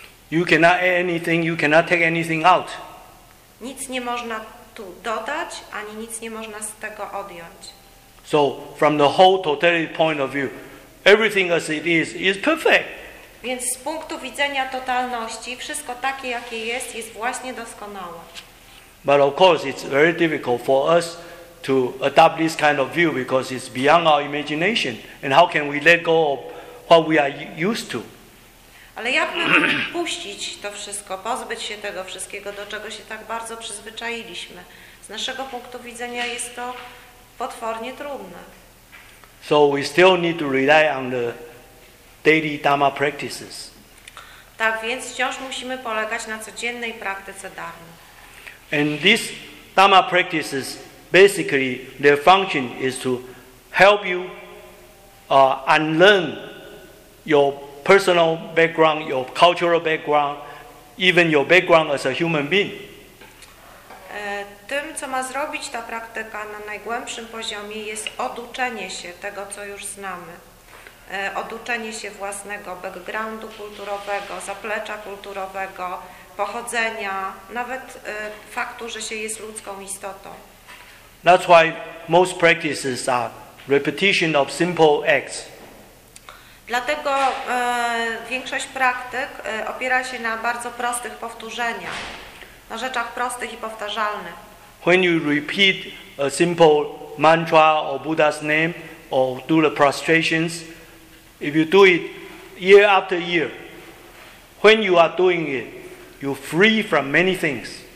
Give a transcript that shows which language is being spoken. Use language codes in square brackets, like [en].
[en] You cannot add anything, you cannot take anything out. [pl] Nic nie można tu dodać, ani nic nie można z tego odjąć. [en] So, from the whole totality point of view, everything as it is perfect. [pl] Więc z punktu widzenia totalności wszystko takie, jakie jest, jest właśnie doskonałe. [en] But of course it's very difficult for us to adopt this kind of view because it's beyond our imagination. And how can we let go of what we are used to? [pl] Ale jak mamy puścić to wszystko, pozbyć się tego wszystkiego, do czego się tak bardzo przyzwyczailiśmy? Z naszego punktu widzenia jest to potwornie trudne. [en] So we still need to rely on the daily Dharma practices. [pl] Tak więc wciąż musimy polegać na codziennej praktyce dharmy. [en] And these Dharma practices, basically their function is to help you unlearn your personal background, your cultural background, even your background as a human being. [pl] Tym, co ma zrobić ta praktyka na najgłębszym poziomie, jest oduczenie się tego, co już znamy. Oduczenie się własnego backgroundu kulturowego, zaplecza kulturowego, pochodzenia, nawet faktu, że się jest ludzką istotą. [en] That's why most practices are repetition of simple acts. [pl] Dlatego większość praktyk opiera się na bardzo prostych powtórzeniach, na rzeczach prostych i powtarzalnych. [en] When you repeat a simple mantra or Buddha's name or do the prostrations, if you do it year after year, when you are doing it, you're free from many things.